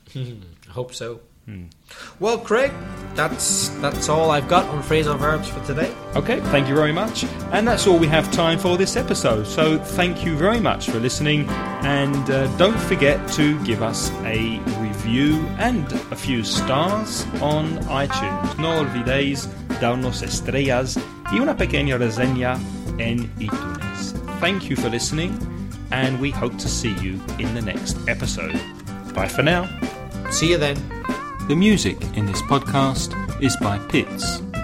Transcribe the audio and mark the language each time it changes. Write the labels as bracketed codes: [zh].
[en] I hope so. Well, Craig, that's all I've got on phrasal verbs for today. Okay, thank you very much. And that's all we have time for this episode. So thank you very much for listening. And don't forget to give us a review and a few stars on iTunes. [es] No olvidéis darnos estrellas y una pequeña reseña en iTunes. [en] Thank you for listening. And we hope to see you in the next episode. Bye for now. See you then. The music in this podcast is by Pitts.